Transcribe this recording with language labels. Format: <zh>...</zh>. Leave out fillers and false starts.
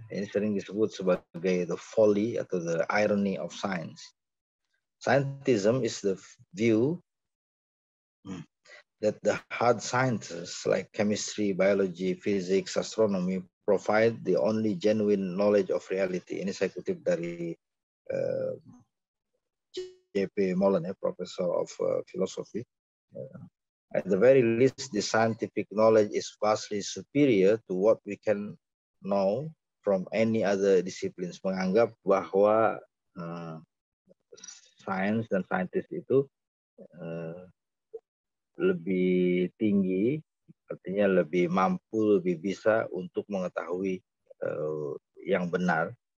<id>Ini sering disebut sebagai</id> <en>the folly</en> <id>atau</id> <en>the irony of science. Scientism is the view that the hard sciences like chemistry, biology, physics, astronomy provide the only genuine knowledge of reality.</en> <id>Ini saya kutip dari J.P.</id> <en>Mullen, professor of philosophy. At the very least, the scientific knowledge is vastly superior to what we can know from any other disciplines.</en> <id>Menganggap bahwa science dan scientist itu lebih tinggi, artinya lebih mampu, lebih bisa untuk mengetahui yang benar.</id>